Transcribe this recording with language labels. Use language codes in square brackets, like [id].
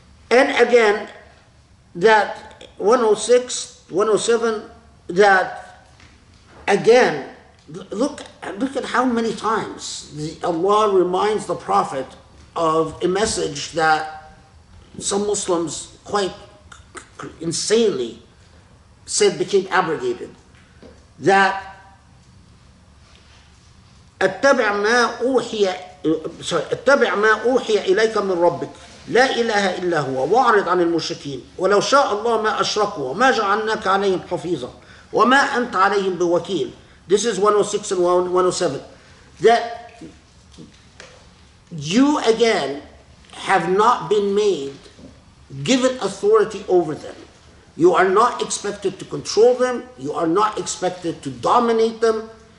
[en] And again, that 106, 107, that again, look at how many times Allah reminds the Prophet of a message that some Muslims quite insanely said became abrogated. [ar] That اتبع ما أوحي إليك من ربك لا إله إلا هو واعرض عن المشركين ولو شاء الله ما أشركوا وما جعلناك عليهم حفيظا وما أنت عليهم بوكيل. [en] This is 106 and 107. That you again have not been made given authority over them. You are not expected to control them. You are not expected to dominate them.